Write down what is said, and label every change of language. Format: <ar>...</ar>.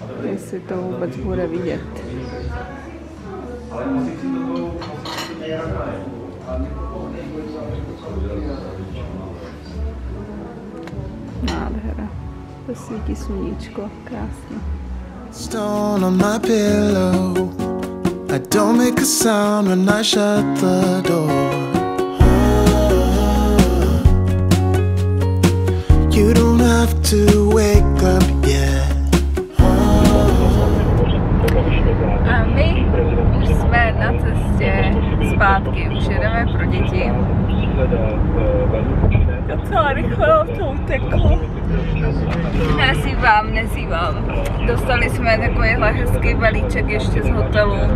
<cs>Jestli to vůbec bude vidět. Nádhera. To svítí sluníčko, krásně.</cs> <en>Stone on my pillow. I don't make a sound when I shut the door. You don't have to wake up yet.</en> <cs>A my už jsme na cestě zpátky, už jedeme pro děti. Docela rychle to uteklo. Nezývám. Dostali jsme takovýhle hezký balíček ještě z hotelu.</cs>